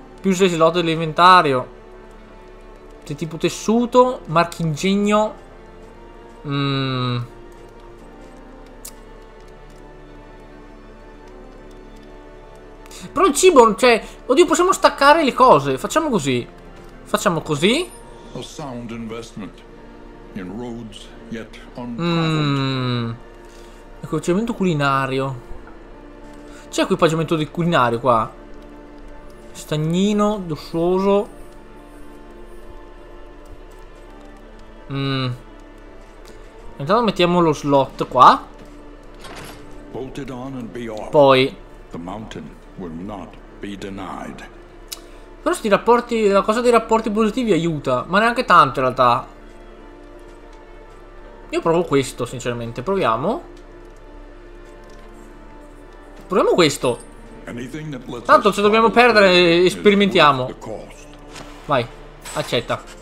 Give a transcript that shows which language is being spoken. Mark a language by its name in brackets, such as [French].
[Italian] Più 6 slot dell'inventario. Di tipo tessuto, marchingegno. Però il cibo, cioè, oddio, possiamo staccare le cose. Facciamo così. Facciamo così. [English] A sound investment in roads yet untraveled. [Italian] Equipaggiamento culinario. C'è equipaggiamento di culinario qua. Stagnino, dussuoso. Intanto mettiamo lo slot qua. [English] Bolted on and be off. [Italian] Poi [English] the mountain will not be denied. [Italian] Però sti rapporti, la cosa dei rapporti positivi aiuta, ma neanche tanto in realtà. Io provo questo, sinceramente. Proviamo questo. Tanto se dobbiamo perdere, sperimentiamo. Vai, accetta.